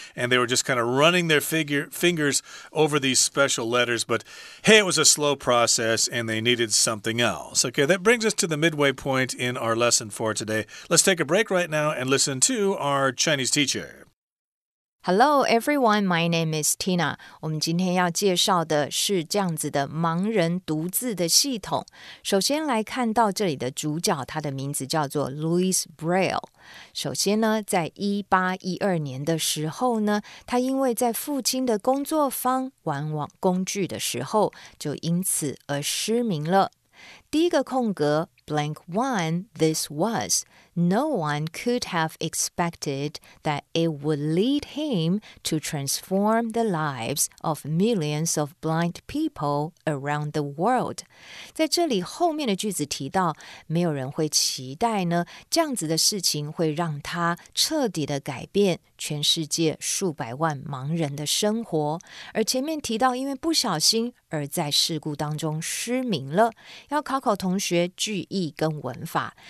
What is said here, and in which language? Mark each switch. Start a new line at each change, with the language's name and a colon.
English: And they were just kind of running their fingers over these special letters, but hey, it was a slow process and they needed something else. Okay, that brings us to the midway point in our lesson for today. Let's take a break right now and listen to our Chinese teacher. Hello, everyone. My name is Tina.
Chinese: 我们今天要介绍的是这样子的盲人独字的系统。首先来看到这里的主角，他的名字叫做 Louis Braille。首先呢，在1812年的时候呢，他因为在父亲的工作坊玩网工具的时候，就因此而失明了。第一个空格
English: blank one, this was. No one could have expected that it would lead him to transform the lives of millions of blind people around the world.
Chinese: 在这里后面的句子提到，没有人会期待呢，这样子的事情会让他彻底的改变全世界数百万盲人的生活。而前面提到，因为不小心而在事故当中失明了，要考考同学句意跟文法。